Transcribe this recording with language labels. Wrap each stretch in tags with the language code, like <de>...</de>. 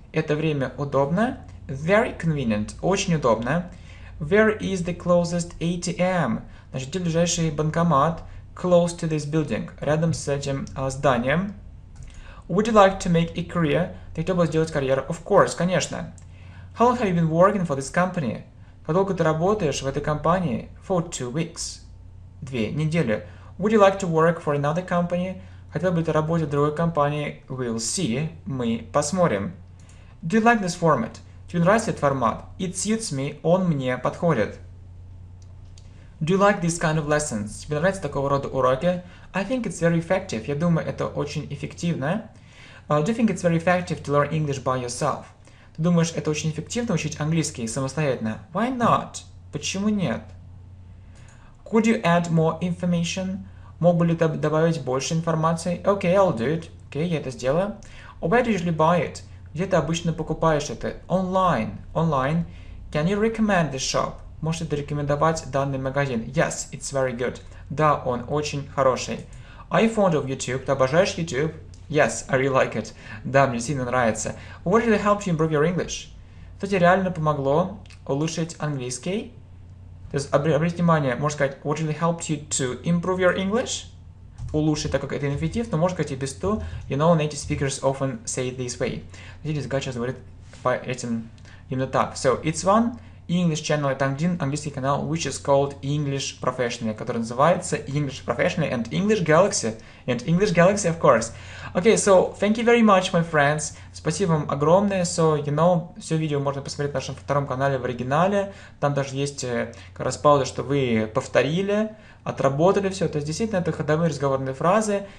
<ru>Это время удобно?</ru> <en>Very convenient,</en> <ru>очень удобно.</ru> <en>Where is the closest ATM?</en> <ru>Значит, где ближайший банкомат?</ru> <en>Close to this building.</en> <ru>Рядом с этим зданием.</ru> <en>Would you like to make a career?</en> <ru>Ты хотел бы сделать карьеру?</ru> <en>Of course,</en> <ru>конечно.</ru> <en>How long have you been working for this company?</en> <ru>Как долго ты работаешь в этой компании?</ru> <en>For 2 weeks.</en> <ru>2 недели.</ru> <en>Would you like to work for another company?</en> <ru>Хотел бы ты работать в другой компании?</ru> <en>We'll see.</en> <ru>Мы посмотрим.</ru> <en>Do you like this format?</en> <ru>Тебе нравится этот формат?</ru> <en>It suits me,</en> <ru>он мне подходит.</ru> <en>Do you like this kind of lessons?</en> <ru>Тебе нравятся такого рода уроки?</ru> <en>I think it's very effective.</en> <ru>Я думаю, это очень эффективно.</ru> <en>Do you think it's very effective to learn English by yourself?</en> <ru>Ты думаешь, это очень эффективно учить английский самостоятельно?</ru> <en>Why not?</en> <ru>Почему нет?</ru> <en>Could you add more information?</en> <ru>Мог бы ли ты добавить больше информации?</ru> <en>Okay, I'll do it. Okay,</en> <ru>я это сделаю.</ru> <en>Where do you usually buy it?</en> <ru>Где ты обычно покупаешь это?</ru> <en>Online. Online. Can you recommend the shop?</en> <ru>Можете ли рекомендовать данный магазин?</ru> <en>Yes, it's very good.</en> <ru>Да, он очень хороший.</ru> <en>Are you fond of YouTube?</en> <ru>Ты обожаешь YouTube?</ru> <en>Yes, I really like it.</en> <ru>Да, мне сильно нравится.</ru> <en>What really helped you improve your English?</en> <ru>Что тебе реально помогло улучшить английский? То есть, обратите внимание, можно сказать,</ru> <en>what really helped you to improve your English?</en> <ru>Улучшить, так как это инфинитив, но можно сказать и без to.</ru> <en>You know, native speakers often say it this way.</en> <ru>Видите, языка сейчас говорит по этим именно так.</ru> <en>So, it's one. English channel,</en> <ru>это один английский канал,</ru> <en>which is called English Professional,</en> <ru>который называется</ru> <en>English Professional and English Galaxy. And English Galaxy, of course. Okay, so, thank you very much, my friends.</en> <ru>Спасибо вам огромное.</ru> <en>So, you know,</en> <ru>все видео можно посмотреть на нашем втором канале в оригинале. Там даже есть как раз пауза, что вы повторили, отработали все. То есть, действительно, это ходовые разговорные фразы.</ru>